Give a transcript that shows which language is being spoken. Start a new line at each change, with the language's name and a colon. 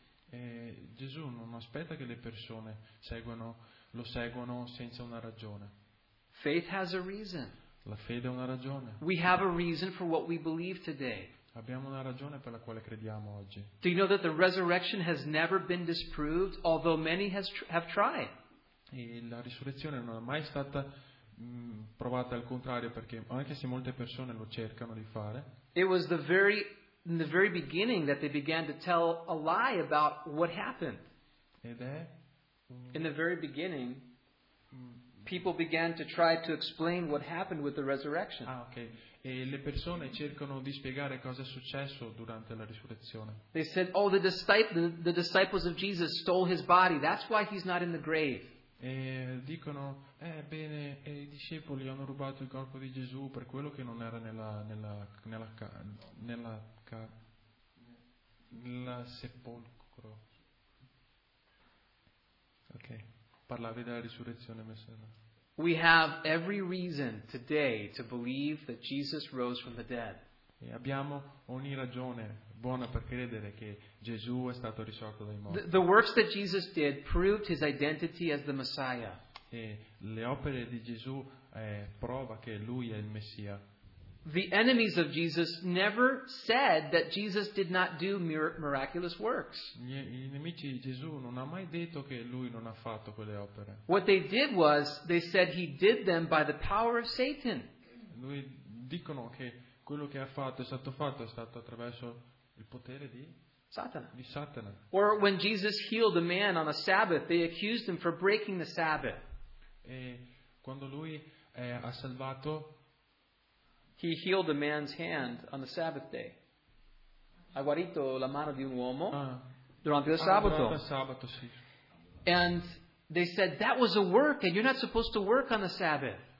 Italian: E Gesù non aspetta che le persone lo seguano senza una ragione.
English: Faith has a reason.
Italian: La fede ha una ragione.
English: We have a reason for what we believe today.
Italian: Abbiamo una ragione per la quale crediamo oggi.
English: Do you know that the resurrection has never been disproved, although many have tried?
Italian: E la risurrezione non è mai stata provata al contrario, perché anche se molte persone lo cercano di fare.
English: It was in the very beginning that they began to tell a lie about what happened.
Italian: Ed è
English: in the very beginning people began to try to explain what happened with the resurrection. Ah, okay.
Italian: E le persone cercano di spiegare cosa è successo durante la risurrezione.
English: They said, "Oh, the disciples of Jesus stole his body. That's why he's not in the grave."
Italian: E dicono, bene, i discepoli hanno rubato il corpo di Gesù per quello che non era nella sepolcro. Ok, parlavi della risurrezione, messo.
English: We have every reason today to believe that Jesus rose from the dead.
Italian: E abbiamo ogni ragione buona per credere che Gesù è stato risorto dai morti.
English: The works that Jesus did proved his identity as the Messiah.
Italian: E le opere di Gesù prova che lui è il Messia.
English: The enemies of Jesus never said that Jesus did not do miraculous works.
Italian: I nemici di Gesù non ha mai detto che lui non ha fatto quelle opere.
English: What they did was they said he did them by the power of Satan.
Italian: Lui dicono che quello che ha fatto è stato fatto è stato attraverso il potere di Satana. Di Satana.
English: Or when Jesus healed a man on a Sabbath, they accused him for breaking the Sabbath.
Italian: E quando lui ha salvato,
English: he healed a man's hand on the Sabbath day.
Italian: Ha guarito la mano di un uomo durante il sabato. Sabato, sì.
English: And they said that was a work, and you're not supposed to work on the Sabbath.